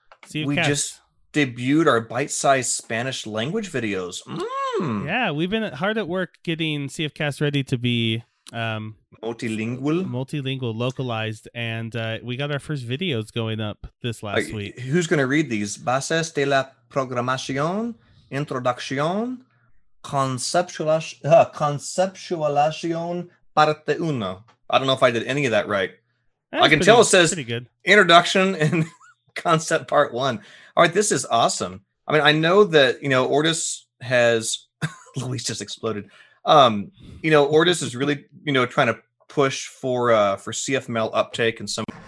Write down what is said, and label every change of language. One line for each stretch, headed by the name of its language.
English: CF Casts. We just debuted our bite-sized Spanish language videos. Yeah, we've been hard at work getting CF Casts ready to be multilingual. Multilingual, localized. And we got our first videos going up this last week. Who's going to read these?
Spanish: Bases de la programación, introducción, conceptualización. Parte uno.
English: I don't know if I did any of that right. It says introduction and concept part one. All right, this is awesome. I mean, I know that, you know, Ortus has... Luis just exploded. You know, Ortus is really, you know, trying to push for CFML uptake and some...